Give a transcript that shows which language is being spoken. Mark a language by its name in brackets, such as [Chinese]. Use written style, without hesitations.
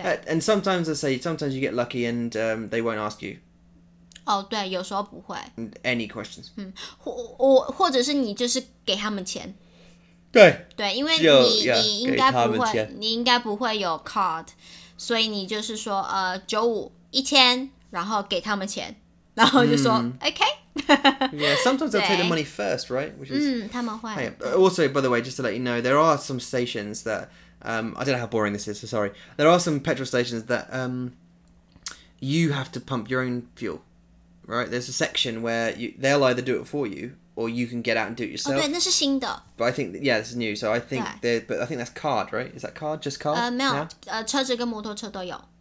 [English] And sometimes, I say, sometimes you get lucky and they won't ask you. [Chinese] Oh, 对,有时候不会. [English] Any questions? [Chinese] 或者是你就是给他们钱. 对. 对,因为你应该不会有 card, 所以你就是说九五一千，然后给他们钱，然后就说、OK。 [English] Yeah, sometimes they'll take the money first, right? Which is [Chinese] 他们会。 [English] Also, by the way, just to let you know, there are some stations that I don't know how boring this is. So sorry. There are some petrol stations that you have to pump your own fuel, right? There's a section where they'll either do it for you or you can get out and do it yourself. [Chinese] 对，那是新的。 [English] But I think this is new. So I think I think that's card, right? Is that card? Just card? [Chinese] 没有，车子跟摩托车都有。